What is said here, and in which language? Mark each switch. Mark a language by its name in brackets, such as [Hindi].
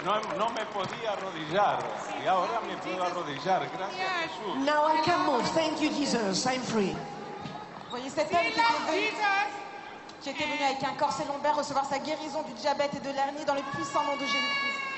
[Spanish] No me podía arrodillar, y ahora me puedo arrodillar, gracias a Jesús. [English] Now I can move, thank you Jesus, I'm free. [French] Voyez cet homme qui pouvait... J'étais venu avec un corset lombaire recevoir sa guérison du diabète et de l'hernie dans le puissant nom de Jésus-Christ.